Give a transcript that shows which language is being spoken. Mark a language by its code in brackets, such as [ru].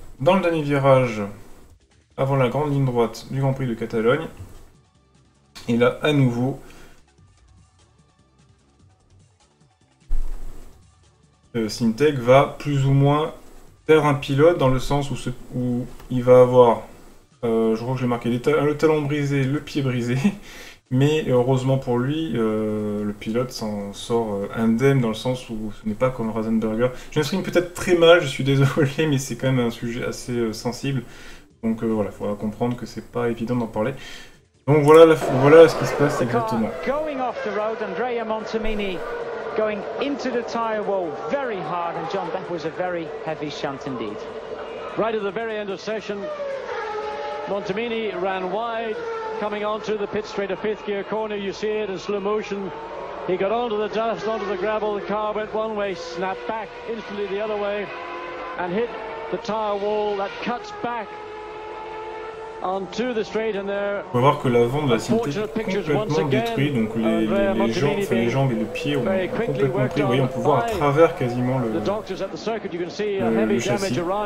[fr] Dans le dernier virage, avant la grande ligne droite du Grand Prix de Catalogne, et là, à nouveau, Syntec va plus ou moins perdre un pilote dans le sens où, où il va avoir, je crois que j'ai marqué, le talon brisé, le pied brisé, mais heureusement pour lui, le pilote s'en sort indemne dans le sens où ce n'est pas comme Ratzenberger. Je m'exprime peut-être très mal, je suis désolé, mais c'est quand même un sujet assez sensible. Donc voilà, il faudra comprendre que c'est pas évident d'en parler. Donc voilà, voilà ce qui se passe exactement. [en] Going into the tire wall very hard, and John, that was a very heavy shunt indeed. Right at the very end of session, Montemini ran wide, coming onto the pit straight, a fifth gear corner. You see it in slow motion. He got onto the dust, onto the gravel. The car went one way, snapped back instantly the other way, and hit the tire wall that cuts back onto the straight. And there, [fr] on peut voir que l'avant de la Syntec est complètement détruit, donc les jambes, enfin les jambes et les pieds ont complètement pris. Vous voyez, on peut voir à travers quasiment le châssis.